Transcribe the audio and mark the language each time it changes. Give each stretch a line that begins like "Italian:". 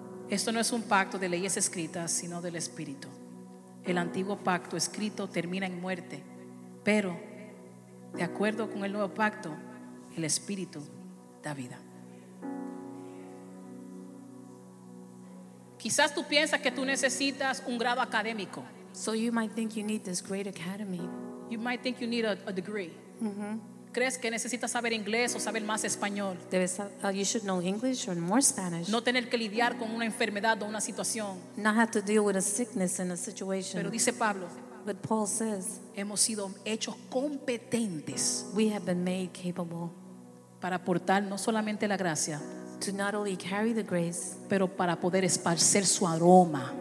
Spanish: Esto no es un pacto de leyes escritas, sino del Espíritu. El antiguo pacto escrito termina en muerte, pero de acuerdo con el nuevo pacto, el Espíritu da vida. Quizás tú piensas que tú necesitas un grado académico.
English: So you might think you need this great academy. You might think you need a degree. Mm-hmm.
Spanish: ¿Crees que necesitas saber inglés o saber más español?
English: You should know English or more Spanish.
Spanish: No tener que lidiar con una enfermedad o una situación.
English: Not have to deal with a sickness and a situation.
Spanish: Pero dice Pablo,
English: but Paul says,
Spanish: hemos sido hechos competentes.
English: We have been made capable.
Spanish: Para portar no solamente la gracia,
English: to not only carry the grace,
Spanish: pero para poder esparcer su aroma.